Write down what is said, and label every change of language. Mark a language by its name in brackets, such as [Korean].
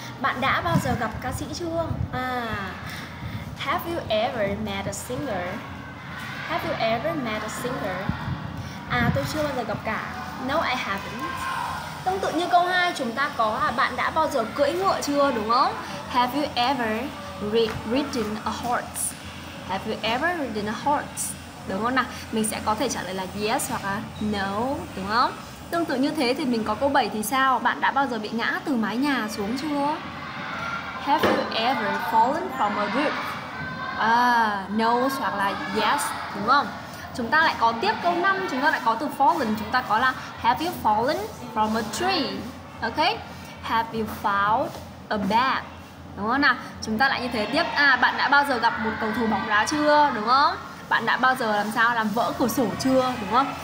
[Vietnamese] Bạn đã bao giờ gặp ca sĩ chưa? [English] À. Have you ever met a singer? Have you ever met a singer? À, [Vietnamese] tôi chưa bao giờ gặp cả. [English] No, I haven't. [Vietnamese] Tương tự như câu 2, chúng ta có là bạn đã bao giờ cưỡi ngựa chưa, đúng không? [English] Have you ever ridden a horse? Have you ever ridden a horse? [Vietnamese] Đúng không nào? Mình sẽ có thể trả lời là yes hoặc là no, đúng không? Tương tự như thế thì mình có câu 7 thì sao? Bạn đã bao giờ bị ngã từ mái nhà xuống chưa? [English] Have you ever fallen from a roof? [Vietnamese] À, no hoặc là yes, đúng không? Chúng ta lại có tiếp câu 5, chúng ta lại có từ fallen, chúng ta có là [English] have you fallen from a tree? [Vietnamese] Ok? [English] Have you found a bat? [Vietnamese] Đúng không nào? Chúng ta lại như thế tiếp. À, bạn đã bao giờ gặp một cầu thủ bóng đá chưa? Đúng không? Bạn đã bao giờ làm sao làm vỡ cửa sổ chưa? Đúng không?